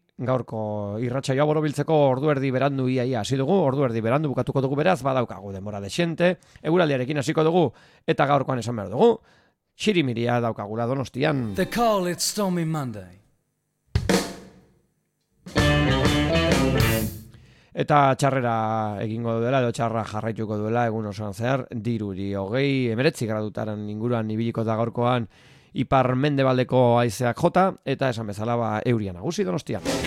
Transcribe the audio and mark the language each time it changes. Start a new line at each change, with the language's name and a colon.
Basque: Gaurko irratsaioa borobiltzeko ordu erdi berandu iaia hasi dugu, ordu erdi berandu bukatuko dugu beraz, badaukagu denbora dexente, eguraldiarekin hasiko dugu, eta gaurkoan esan behar dugu, txirimiria daukagula Donostian.
English: They call it Stormy Monday.
Basque: Eta txarrera egingo duela, edo txarra jarraituko duela, egun osoan zehar, diruri hogei, 19 gradutaren inguruan ibiliko da gaurkoan, ipar mendebaldeko haizeak jota, eta esan bezala ba, euria nagusi Donostian.